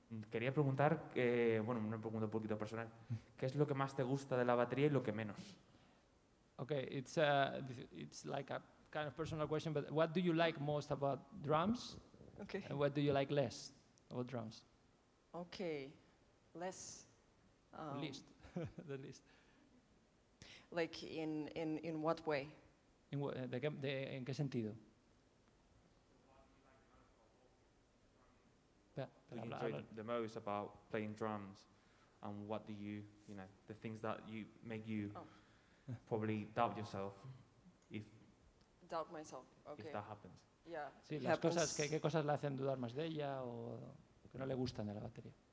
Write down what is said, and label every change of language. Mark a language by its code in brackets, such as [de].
[es] Quería preguntar, bueno, una pregunta un poquito personal. ¿Qué es lo que más te gusta de la batería y lo que menos? [en] Okay, it's like a kind of personal question, but what do you like most about drums? Okay. And what do you like less about drums? Okay, less. Least, the least. Like in what way? [es] ¿En qué sentido? [en] Do you enjoy the most about playing drums, and what do you, you know, the things that you make you probably doubt yourself, if doubt myself, okay, if that happens. Yeah. [es] Sí, las cosas que qué cosas le hacen dudar más de ella o que no le gustan de la batería.